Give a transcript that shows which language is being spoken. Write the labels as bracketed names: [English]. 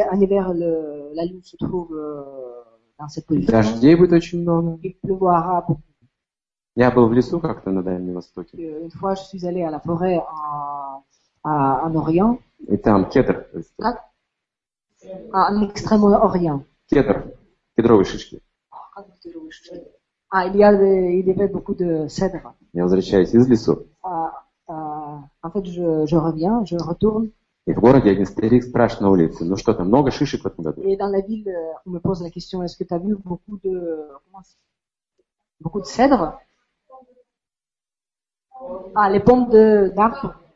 [French] Si en hiver, la lune se trouve dans cette position. [Russian] Дождей будет очень много. [French] Il pleuvra beaucoup. [Russian] Я был в лесу как-то на Дальнем Востоке. [French] Une fois, je suis allé à la forêt en Orient. [Russian] И там кедр. Как? [French] En Extrême-Orient. [Russian] Кедр. Кедровые шишки. Как кедровые шишки? [French] Il y avait beaucoup de cèdres. [Russian] Я возвращаюсь из лесу. [French] En fait, je reviens, je retourne. [Russian] И в городе один старик спрашивает на улице, ну что там, много шишек в этом году? [French] Et dans la ville, on me pose la question, est-ce que tu as vu beaucoup de cèdres? Ah, les pommes d'arbres?